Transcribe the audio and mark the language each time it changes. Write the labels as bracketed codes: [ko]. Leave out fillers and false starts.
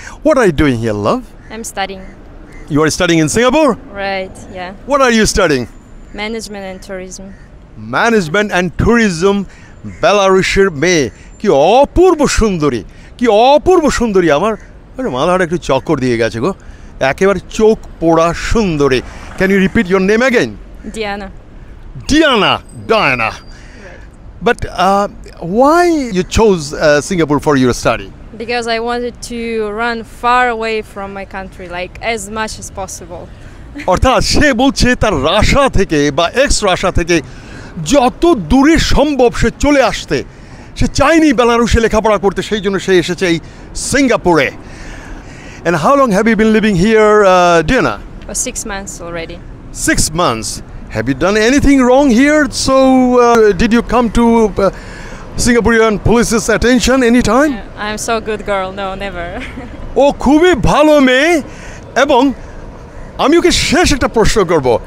[en] What are you doing here, love? I'm studying. You are studying in Singapore? Right, yeah. What are you studying? Management and tourism. Management and tourism. [bn] বেলারুশের মেয়ে কি অপূর্ব সুন্দরী, কি অপূর্ব সুন্দরী! আমার মাথাটা একটু চক্কর দিয়ে গেছে গো, একেবারে চোখ পোড়া সুন্দরী. [en] Can you repeat your name again? Diana. But why you chose Singapore for your study? Because I wanted to run far away from my country, like as much as possible. [bn] অর্থাৎ সে বলছে তার রাশিয়া থেকে বা x Russia থেকে যত দূরে সম্ভব সে চলে আসতে, সে চাইনি বেলারুশে লেখাপড়া করতে, সেই জন্য সে এসেছে এই সিঙ্গাপুরে. [en] And how long have you been living here, Diana? For 6 months already. 6 months. Have you done anything wrong here? So, did you come to Singaporean police's attention anytime? Yeah, I'm so good girl. No, never. [bn] Oh, khubi bhalo me. Ebong, ami oke shesh ekta proshno korbo.